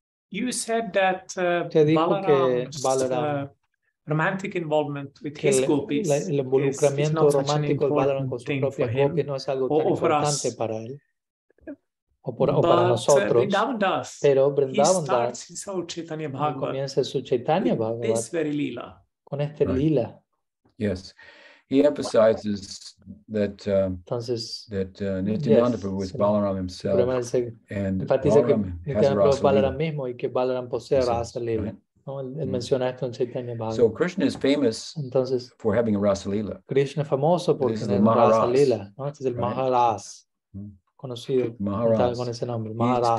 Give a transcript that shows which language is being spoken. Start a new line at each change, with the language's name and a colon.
English: You said that Balaram's romantic involvement with his gopis
Spanish: el involucramiento romántico de Balaram con sus propias gopis no es algo tan importante para él. Para nosotros. Pero Vrindavan Das comienza su Chaitanya Bhagavata con este lila.
English: Yes. He emphasizes that Nityananda Prabhu is Balaram himself, and
Spanish: Balaram mismo y que Balaram posee Rasa Lila. No, él menciona esto en Chaitanya Bhagavata.
English: So Krishna is famous for having a Rasa Lila.
Spanish: Krishna es famoso por tener Rasa Lila. No, este es el Maharas, conocido con ese nombre. Maharas.